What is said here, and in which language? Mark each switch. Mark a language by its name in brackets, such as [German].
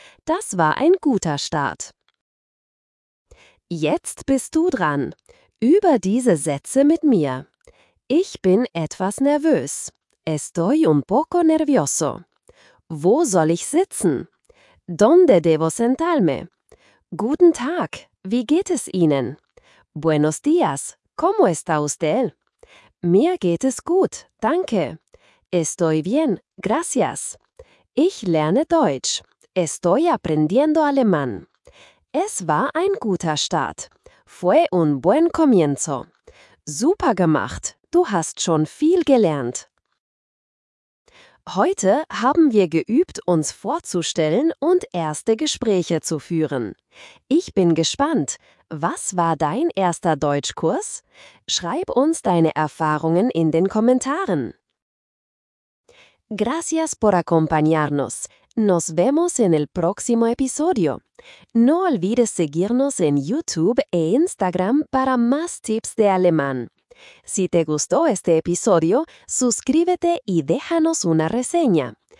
[German] Das war ein guter Start. Jetzt bist du dran. Übe diese Sätze mit mir. Ich bin etwas nervös. [Spanish] Estoy un poco nervioso. [German] Wo soll ich sitzen? [Spanish] ¿Dónde debo sentarme? [German] Guten Tag, wie geht es Ihnen? [Spanish] Buenos días, ¿cómo está usted? [German] Mir geht es gut, danke. [Spanish] Estoy bien, gracias. [German] Ich lerne Deutsch. [Spanish] Estoy aprendiendo alemán. [German] Es war ein guter Start. [Spanish] Fue un buen comienzo. [German] Super gemacht, du hast schon viel gelernt. Heute haben wir geübt, uns vorzustellen und erste Gespräche zu führen. Ich bin gespannt. Was war dein erster Deutschkurs? Schreib uns deine Erfahrungen in den Kommentaren. [Spanish] Gracias por acompañarnos. Nos vemos en el próximo episodio. No olvides seguirnos en YouTube e Instagram para más tips de alemán. Si te gustó este episodio, suscríbete y déjanos una reseña.